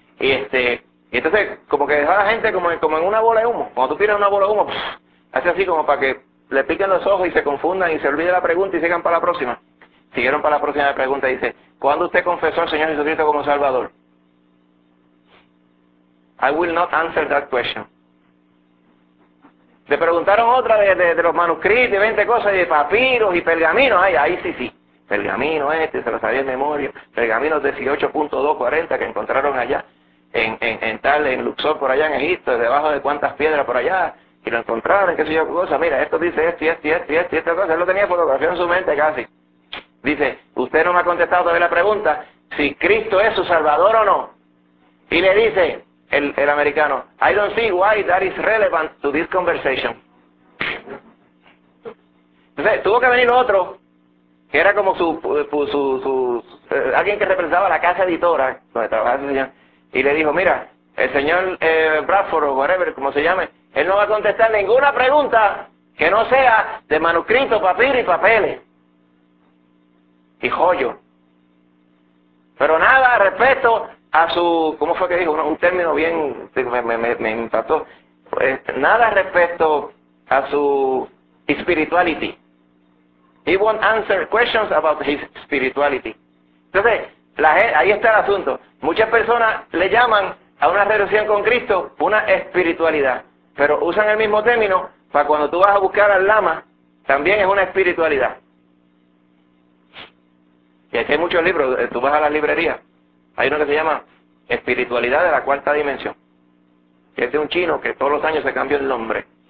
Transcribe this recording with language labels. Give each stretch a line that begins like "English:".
Spanish: Y entonces, como que deja a la gente como en una bola de humo. Cuando tú tiras una bola de humo, hace así como para que le piquen los ojos y se confundan y se olvide la pregunta y sigan para la próxima. Siguieron para la próxima pregunta y dice, ¿cuándo usted confesó al Señor Jesucristo como Salvador?
English: I will not answer that question.
Spanish: Le preguntaron otra de los manuscritos, de 20 cosas, de papiros y pergaminos. Ahí sí. Pergamino este, se lo sabía en memoria. Pergamino 18.240 que encontraron allá, en Luxor, por allá en Egipto, debajo de cuántas piedras por allá, y lo encontraron, qué sé yo, cosa. Mira, esto dice esta cosa. Él lo tenía fotografía en su mente casi. Dice, usted no me ha contestado todavía la pregunta si Cristo es su Salvador o no. Y le dice el americano,
English: I don't see why that is relevant to this conversation.
Spanish: Entonces, Entonces, tuvo que venir otro, que era como su alguien que representaba la casa editora, donde trabajaba ese señor, y le dijo, mira, el señor Bradford, o whatever, como se llame, él no va a contestar ninguna pregunta que no sea de manuscrito, papiro y papeles. Y joyo. Pero nada respecto a su, ¿cómo fue que dijo? Un término bien, me impactó. Pues, nada respecto a su spirituality.
English: He won't answer questions about his spirituality.
Spanish: Entonces, ahí está el asunto. Muchas personas le llaman a una relación con Cristo una espiritualidad, pero usan el mismo término para cuando tú vas a buscar al lama, también es una espiritualidad. Y aquí hay muchos libros, tú vas a la librería, hay uno que se llama Espiritualidad de la Cuarta Dimensión, que es de un chino que todos los años se cambia el nombre.